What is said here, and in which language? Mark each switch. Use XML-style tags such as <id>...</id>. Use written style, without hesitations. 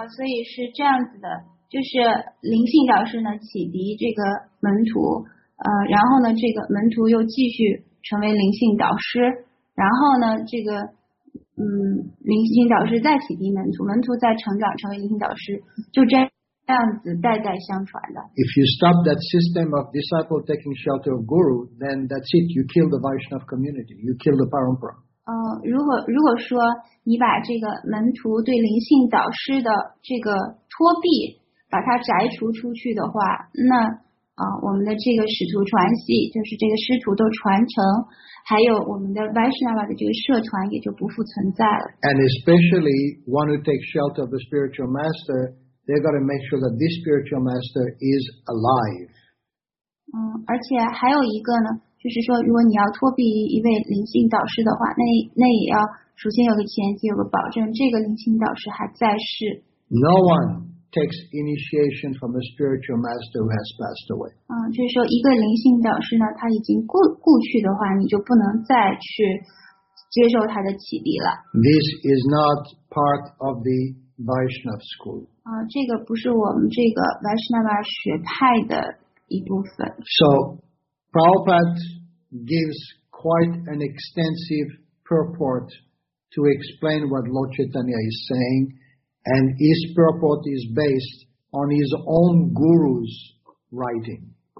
<zh>所以是这样子的，就是灵性导师呢启迪这个门徒，然后呢这个门徒又继续成为灵性导师，然后呢这个灵性导师再启迪门徒，门徒再成长成为灵性导师，就这样。</zh> <en>If you stop that system of disciple taking shelter of guru, then that's it. You kill the Vaishnava community. You kill the parampara.</en> <zh>如果说你把这个门徒对灵性导师的这个托庇把它摘除出去的话，那我们的这个使徒传系，就是这个师徒的传承，还有我们的 Vaishnava 的这个社团也就不复存在了。</zh> <en>And especially one who takes shelter of the spiritual master. They've got to make sure that this spiritual master is alive.</en> <zh>而且还有一个呢，就是说，如果你要托庇一位灵性导师的话，那也要首先有个前提，有个保证，这个灵性导师还在世。</zh> <en>No one takes initiation from a spiritual master who has passed away.</en> <zh>就是说，一个灵性导师呢，他已经故去的话，你就不能再去接受他的启迪了。</zh> <en>This is not part of the Vaishnava school.</en> <zh>这个不是我们这个 Vaishnava 学派的一部分。</zh> <en>So, Prabhupada gives quite an extensive purport to explain what Lord Chaitanya is saying, and his purport is based on his own guru's writing.</en>